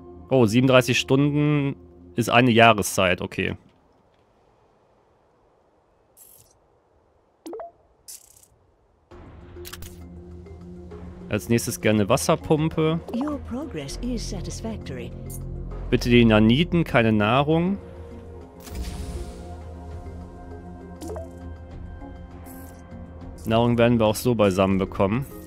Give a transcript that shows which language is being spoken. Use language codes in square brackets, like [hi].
[de] Oh, 37 Stunden ist eine Jahreszeit, okay. Als nächstes gerne Wasserpumpe. [en] Your progress is satisfactory. [de] Bitte die Naniten, keine Nahrung. Nahrung werden wir auch so beisammen bekommen.